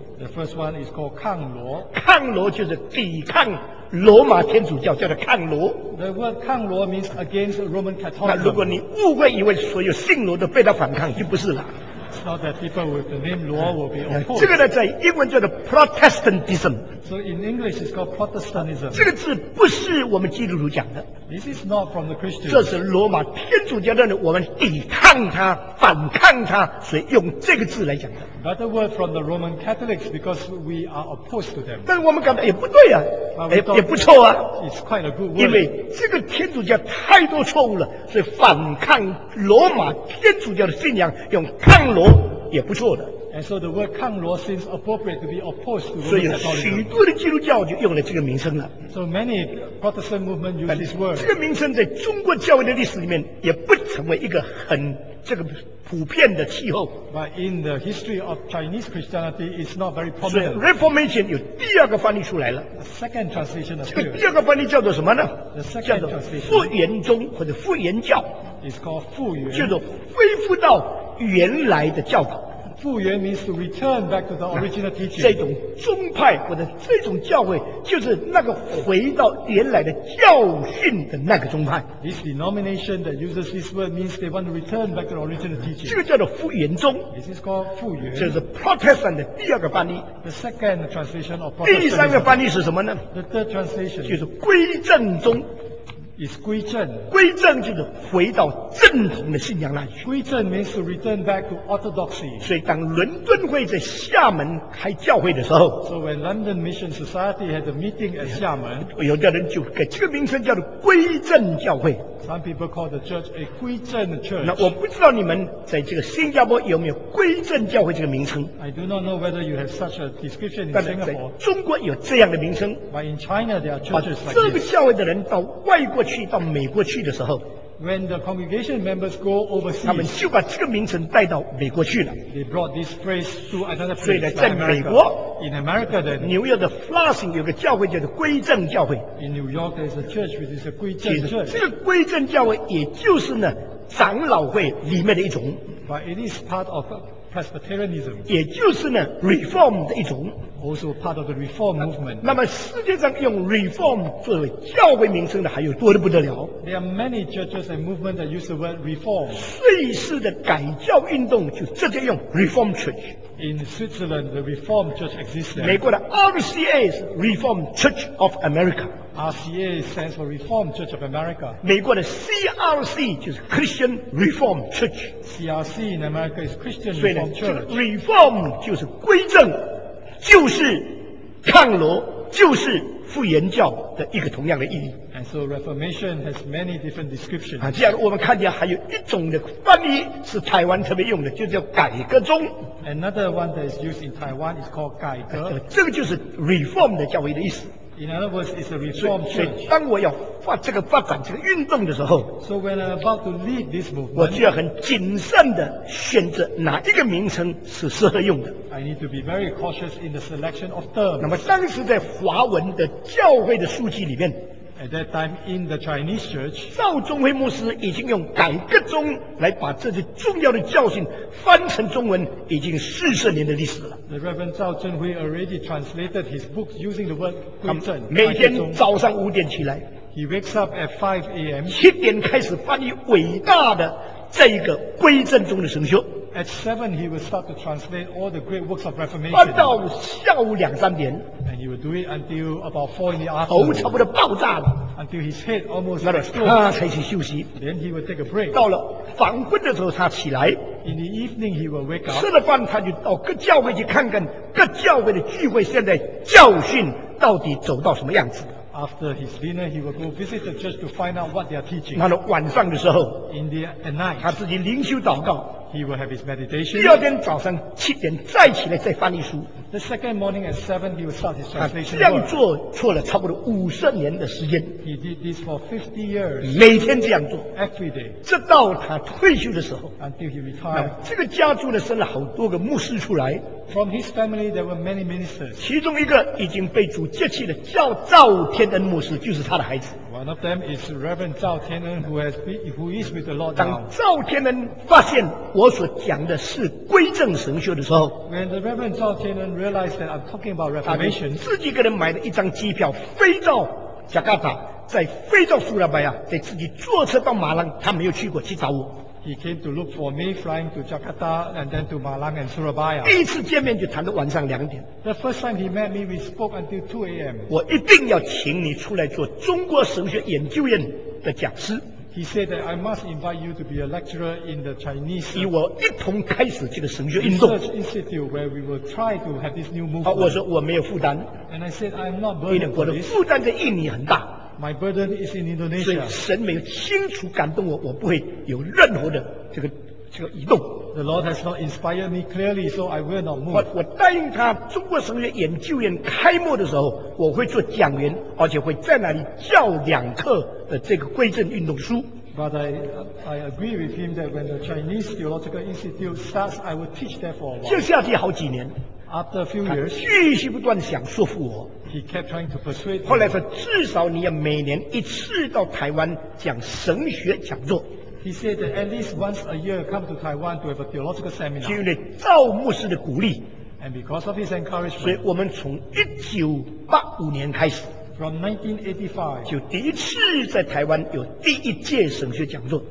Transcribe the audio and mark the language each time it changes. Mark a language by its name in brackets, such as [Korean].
[English] The first one is called 抗罗。 [Chinese] 抗罗就是抵抗。罗马天主教叫做抗罗。 [English] The word 抗罗 means against Roman Catholic. [Chinese] 那如果你误会以为所有姓罗的被他反抗，就不是了。 [English] It's not that people with the name 罗 will be opposed. [Chinese] 这个呢，在英文叫做 Protestantism. [English] So in English, it's called Protestantism. [Chinese] 这个字不是我们基督徒讲的。 [English] This is not from the Christians. [Chinese] 这是罗马天主教认为我们抵抗它、反抗它，所以用这个字来讲的。 [English] But a word from the Roman Catholics because we are opposed to them. [Chinese] 但是我们感到也不对啊，也不错啊。 [English] It's quite a good word. [Chinese] 因为这个天主教太多错误了，所以反抗罗马天主教的信仰，用抗罗也不错的。 [English] And so the word 抗罗 seems appropriate to be opposed to Roman Catholicism. [Chinese] 所以许多的基督教就用了这个名称了。 [English] So many Protestant movement use this word. [Chinese] 这个名称在中国教会的历史里面也不成为一个很这个普遍的气候。 [English] But in the history of Chinese Christianity, it's not very prominent. [Chinese] 所以 Reformation 有第二个翻译出来了。 [English] The second translation appears. [Chinese] 这个第二个翻译叫做什么呢？ [English] The second translation. [Chinese] 叫做复原宗或者复原教。 [English] It's called 复原。 [Chinese] 叫做恢复到原来的教导。 [English] 复原 means to return back to the original teaching. [Chinese] 这种宗派或者这种教会就是那个回到原来的教训的那个宗派。 [English] This denomination that uses this word means they want to return back to the original teaching. [Chinese] 这个叫做复原宗。 [English] This is called 复原。 [Chinese] 这是 Protestant 的第二个翻译。 [English] The second translation of Protestant. [Chinese] 第三个翻译是什么呢？ [English] The third translation. [Chinese] 就是归正宗。 [English] Is 归正， [Chinese] 归正就是回到正统的信仰那里去。 [English] 归正 means to return back to orthodoxy。 [Chinese] 所以当伦敦会在厦门开教会的时候 [English] ，So when London Mission Society had a meeting at 厦门， [Chinese] 有的人就给这个名称叫做归正教会。 [English] Some people call the church a 归正 church。 [Chinese] 那我不知道你们在这个新加坡有没有归正教会这个名称 [English] ？I do not know whether you have such a description in Singapore。 [Chinese] 但在中国有这样的名称 [English] ，But in China there are churches like this。 [Chinese] 这个教会的人到外国去，到美国去的时候 [English] ，When the congregation members go overseas， [Chinese] 他们就把这个名称带到美国去了。 [English] They brought this phrase to another place。 [Chinese] 所以呢，在美国 [English] ，In America， [Chinese] 的纽约的 Flushing 有个教会叫做归正教会。 [English] In New York there's a church which is a 归正 church。 [Chinese] 这个归正教会也就是呢长老会里面的一种 [English] ，But it is part of Presbyterianism， [Chinese] 也就是呢 Reform 的一种。 [English] Also part of the reform movement. [Chinese] 那么世界上用 reform 作为教会名称的还有多得不得了。 [English] There are many churches and movements that use the word reform. [Chinese] 瑞士的改教运动就直接用 reform church. [English] In Switzerland, the reform church exists there. [Chinese] 美国的 [English] RCA is Reform Church of America. RCA stands for Reform Church of America. [Chinese] 美国的 [English] CRC [Chinese] 就是 [English] Christian Reform Church. CRC in America is Christian Reform Church. [Chinese] 所以呢，这个 reform 就是归正。就是抗罗，就是复原教的一个同样的意义。 [English] And so Reformation has many different descriptions. [Chinese] 啊，这样我们看见还有一种的翻译是台湾特别用的，就叫改革宗。 [English] Another one that is used in Taiwan is called 改革。 [Chinese] 这个就是 Reform 的教会的意思。 [English] In other words, it's a Reform church. [Chinese] 所以当我要发这个发展这个运动的时候 [English] ，So when I'm about to lead this movement, [Chinese] 我就要很谨慎的选择哪一个名称是适合用的。 [English] I need to be very cautious in the selection of terms. [Chinese] 那么当时在华文的教会的书籍里面 [English] ，At that time in the Chinese church, [Chinese] 赵宗辉牧师已经用改革宗来把这些重要的教训翻成中文，已经四十年的历史了。 [English] The Reverend Zhao Zhenhui already translated his book using the word 归正。 [Chinese] 每天早上五点起来。 [English] He wakes up at 5 a.m. [Chinese] 七点开始翻译伟大的这一个归正宗的神学。 [English] At 7, he will start to translate all the great works of Reformation. [Chinese] 翻到下午两三点。 [English] And he will do it until about 4 in the afternoon. [Chinese] 头差不多爆炸了。 [English] Until his head almost exploded. [Chinese] 他才去休息。 [English] Then he will take a break. [Chinese] 到了黄昏的时候，他起来。 [English] In the evening, he will wake up. [Chinese] 吃了饭，他就到各教会去看看各教会的聚会现在教训到底走到什么样子。 [English] After his dinner, he will go visit the church to find out what they are teaching. [Chinese] 那晚上的时候 [English] ，in the at night, [Chinese] 他自己灵修祷告 [English] ，he will have his meditation. [Chinese] 第二天早上七点再起来再翻译书 [English] ，the second morning at 7 he will start his translation. [Chinese] 这样做错了差不多五十年的时间 [English] ，he did this for 50 years. [Chinese] 每天这样做 [English] ，every day. [Chinese] 直到他退休的时候 [English] ，until he retired. [Chinese] 这个家族呢，生了好多个牧师出来。 [English] From his family, there were many ministers. [Chinese] 其中一个已经被主接去的叫赵天恩牧师，就是他的孩子。 [English] One of them is Reverend 赵天恩 who is with the Lord now. [Chinese] 当赵天恩发现我所讲的是归正神学的时候 [English] ，When the Reverend 赵天恩 realized that I'm talking about Reformation, [Chinese] 自己给人买了一张机票飞到加加达，在飞到苏拉巴亚，在自己坐车到马兰，他没有去过去找我。 [English] He came to look for me, flying to Jakarta and then to Malang and Surabaya. [Chinese] 第一次见面就谈到晚上两点。 [English] The first time he met me, we spoke until 2 a.m. [Chinese] 我一定要请你出来做中国神学研究院的讲师。 [English] He said that I must invite you to be a lecturer in the Chinese. [Chinese] 与我一同开始这个神学运动。 [English] Research institute where we will try to have this new movement. [Chinese] 好，我说我没有负担。 [English] And I said I am not burdened. [Chinese] 因为我的负担在印尼很大。 [English] My burden is in Indonesia. [Chinese] 所以神没有清楚感动我，我不会有任何的这个移动。 [English] The Lord has not inspired me clearly, so I will not move. [Chinese] 我答应他，中国神学研究院开幕的时候，我会做讲员，而且会在那里教两课的这个归正运动书。 [English] But I agree with him that when the Chinese Theological Institute starts, I will teach there for a while. [Chinese] 就下去好几年。 [English] After a few years, [Chinese] 他继续不断想说服我。 [English] He kept trying to persuade me. [Chinese] 后来说，至少你要每年一次到台湾讲神学讲座。 [English] He said that at least once a year come to Taiwan to have a theological seminar. [Chinese] 因为赵牧师的鼓励 [English] ，and because of his encouragement. [Chinese] 所以我们从1985年开始 [English] ，from 1985, [Chinese] 就第一次在台湾有第一届神学讲座。